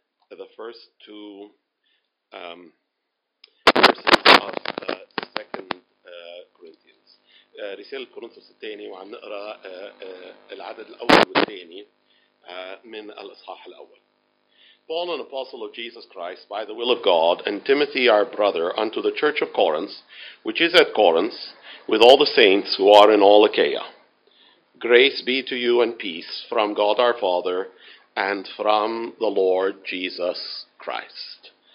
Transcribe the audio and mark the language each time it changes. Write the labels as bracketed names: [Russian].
[English] the first two verses of the second Corinthians. [Arabic] رسالة كورنثوس الثاني وعنقرا العدد الأول والثاني من الإصحاح الأول. [English] Paul, an apostle of Jesus Christ, by the will of God, and Timothy, our brother, unto the church of Corinth, which is at Corinth, with all the saints who are in all Achaia. Grace be to you and peace from God our Father and from the Lord Jesus Christ.